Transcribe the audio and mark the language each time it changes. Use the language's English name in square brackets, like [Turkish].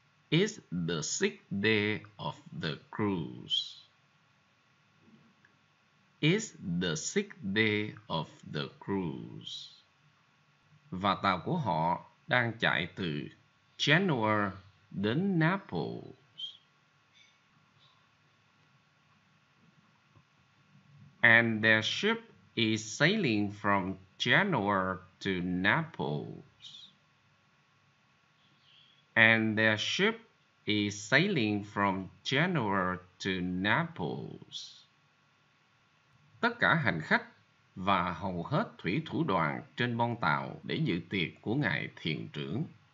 [English] It's the sixth day of the cruise. Is the sixth day of the cruise. [Vietnamese] Và tàu của họ đang chạy từ Genoa đến Naples. [English] And their ship is sailing from Genoa to Naples. And their ship is sailing from Genoa to Naples. [Vietnamese] Tất cả hành khách và hầu hết thủy thủ đoàn trên boong tàu để dự tiệc của ngài thiền trưởng.